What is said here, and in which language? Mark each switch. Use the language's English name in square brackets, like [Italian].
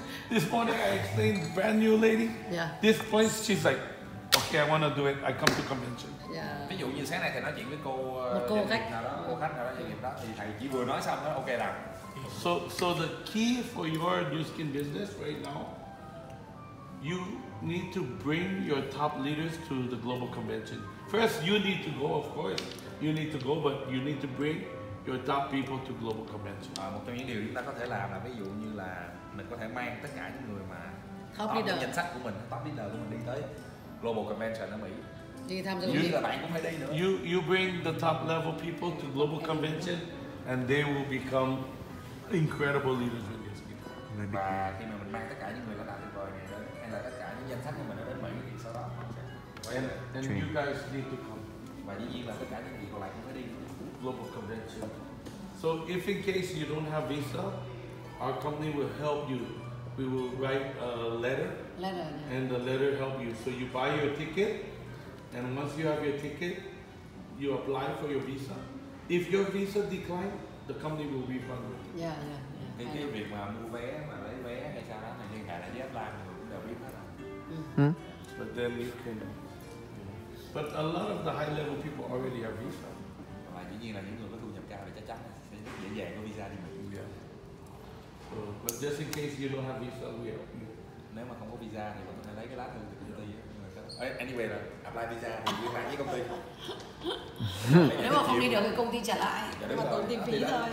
[English] This morning I explained brand new lady. Yeah. This place, she's like, okay, I want to do it. I come to convention. Yeah. [Vietnamese] Ví dụ như sáng nay thầy nói chuyện với cô khách nào đó doanh nghiệp đó thì thầy chỉ vừa nói xong nói okay làm. [English] So the key for your new skin business right now, you need to bring your top leaders to the global convention. First, you need to go, of course. You need to go, but you need to bring your top people to global convention. [Vietnamese] Một trong những điều chúng ta có thể làm là ví dụ như là mình có thể mang tất cả những người mà [English] top leader, [Vietnamese] danh sách của mình, top leader của mình đi tới global convention ở Mỹ. Đi tham dự. Như là bạn cũng phải đi nữa. [English] You bring the top level people to global convention, and they will become incredible leaders in this game. [Vietnamese] Và khi mà mình mang tất cả những người lãnh đạo tuyệt vời này đến, hay là tất cả những danh sách của mình đến Mỹ thì sau đó họ sẽ. [English] And you guys need to come. [Vietnamese] Và dĩ nhiên là tất cả những gì còn lại cũng phải đi. [English] Global convention. So if in case you don't have visa, our company will help you. We will write a letter. Letter. And the letter help you. So you buy your ticket, and once you have your ticket, you apply for your visa. If your visa declined, the company will refund you. Yeah, yeah, yeah. [Vietnamese] Cái việc mà mua vé, mà lấy vé hay sao đó, mà liên hệ lại với offline cũng đều biết hết rồi. [English] But then you can. But a lot of the high level people already have visa. [Vietnamese] Dĩ nhiên là những người có thu nhập cao thì chắc chắn sẽ rất dễ dàng có visa đi Mỹ. [English] Yeah. So, but just in case you don't have visa, we help you. [Vietnamese] Nếu mà không có visa thì mình có thể lấy cái lá thư từ công ty. Anyway là apply visa thì liên hệ với công ty. Nếu mà không đi được thì công ty trả lại. Nhưng mà tốn tiền phí thôi.